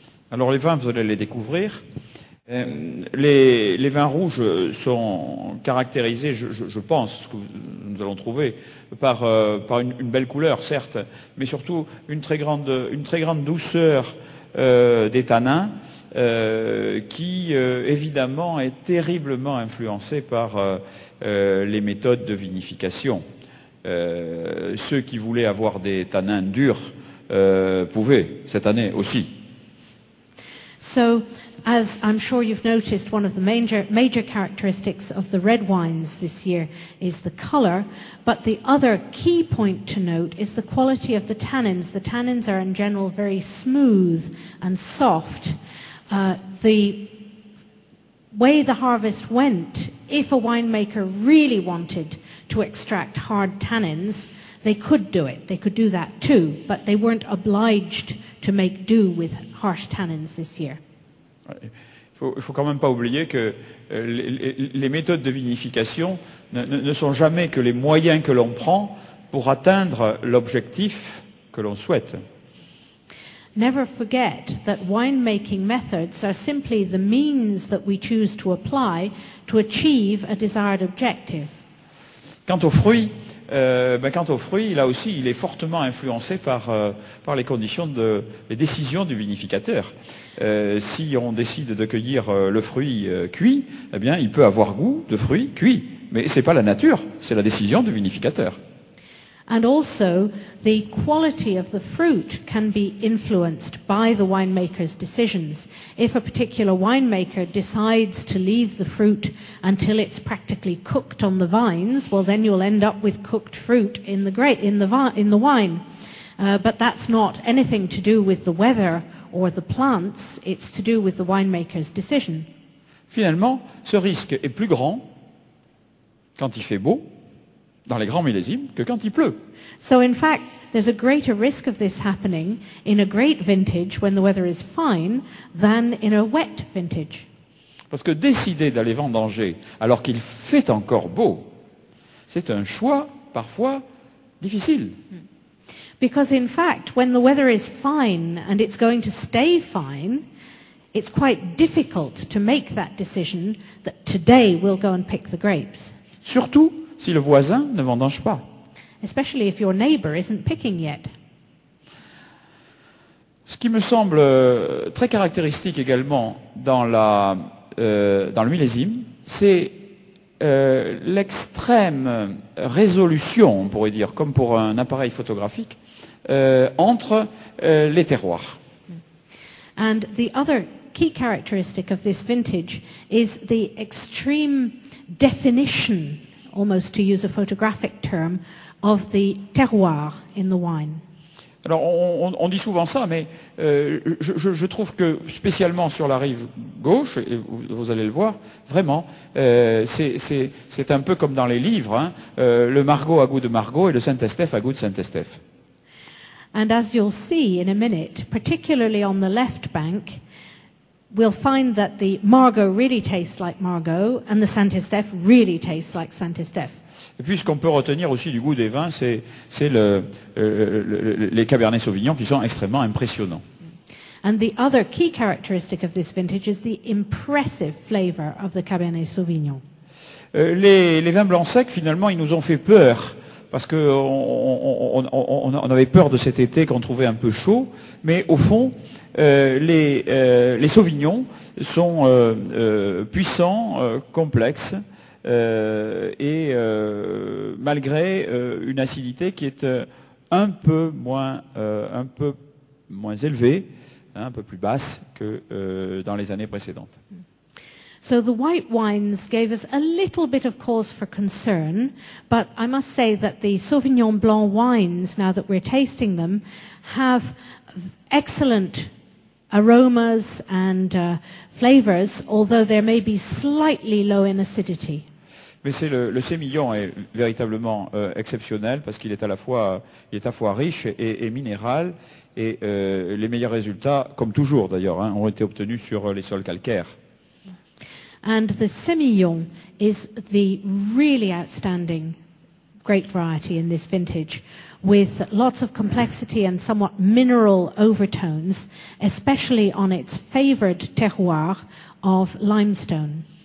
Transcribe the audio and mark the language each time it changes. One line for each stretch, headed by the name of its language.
French: Alors les vins, vous allez les découvrir. Les vins rouges sont caractérisés, je pense, ce que nous allons trouver, par une belle couleur, certes, mais surtout une très grande douceur des tanins. Qui évidemment est terriblement influencé par les méthodes de vinification. Ceux qui voulaient avoir des tanins durs pouvaient cette année aussi.
English: So, as I'm sure you've noticed, one of the major characteristics of the red wines this year is the color. But the other key point to note is the quality of the tannins. The tannins are in general very smooth and soft. The way the harvest went, if a winemaker really wanted to extract hard tannins, they could do it. They could do that too, but they weren't obliged to make do with harsh tannins this year.
French: Il faut quand même pas oublier que les méthodes de vinification ne sont jamais que les moyens que l'on prend pour atteindre l'objectif que l'on souhaite.
English: Never forget that winemaking methods are simply the means that we choose to apply to achieve a desired objective.
French: Quant aux fruits, là aussi, il est fortement influencé par les conditions de les décisions du vinificateur. Si on décide de cueillir le fruit cuit, eh bien, il peut avoir goût de fruit cuit, mais c'est pas la nature, c'est la décision du vinificateur.
English: And also, the quality of the fruit can be influenced by the winemaker's decisions. If a particular winemaker decides to leave the fruit until it's practically cooked on the vines, well, then you'll end up with cooked fruit in the wine. But that's not anything to do with the weather or the plants. It's to do with the winemaker's decision.
French: Finalement, ce risque est plus grand quand il fait beau dans les grands millésimes que quand il pleut.
English: So in fact, there's a greater risk of this happening in a great vintage when the weather is fine than in a wet vintage.
French: Parce que décider d'aller vendanger alors qu'il fait encore beau, c'est un choix parfois difficile.
English: Because in fact, when the weather is fine and it's going to stay fine, it's quite difficult to make that decision that today we'll go and pick the grapes.
French: Surtout si le voisin ne vendange pas.
English: Especially if your neighbor isn't picking yet.
French: Ce qui me semble très caractéristique également dans le millésime, c'est l'extrême résolution, on pourrait dire, comme pour un appareil photographique, entre les terroirs.
English: And the other key characteristic of this vintage is the extreme definition, almost to use a photographic term, of the terroir in the wine.
French: Alors, on dit souvent ça, mais je trouve que, spécialement sur la rive gauche, et vous allez le voir, vraiment, c'est un peu comme dans les livres, hein, le Margaux a goût de Margaux et le Saint-Estèphe a goût de Saint-Estèphe.
English: And as you'll see in a minute, particularly on the left bank, we'll find that the Margaux really tastes like Margaux and the Saint-Estèphe really tastes like Saint-Estèphe.
French: Et puis ce qu'on peut retenir aussi du goût des vins, c'est les Cabernet Sauvignon qui sont extrêmement impressionnants.
English: And the other key characteristic of this vintage is the impressive flavor of the Cabernet Sauvignon.
French: Les vins blancs secs, finalement, ils nous ont fait peur. Parce qu'on avait peur de cet été qu'on trouvait un peu chaud. Mais au fond, les Sauvignons sont puissants, complexes, malgré une acidité qui est un peu moins élevée, hein, un peu plus basse que dans les années précédentes.
English: So the white wines gave us a little bit of cause for concern, but I must say that the Sauvignon Blanc wines, now that we're tasting them, have excellent aromas and flavors, although there may be slightly low in acidity.
French: Mais c'est le sémillon est véritablement exceptionnel parce qu'il est à la fois riche et minéral, et les meilleurs résultats, comme toujours d'ailleurs, hein, ont été obtenus sur les sols calcaires.
English: And the Sémillon is the really outstanding grape variety in this vintage, with lots of complexity and somewhat mineral overtones, especially on its favored terroir of limestone.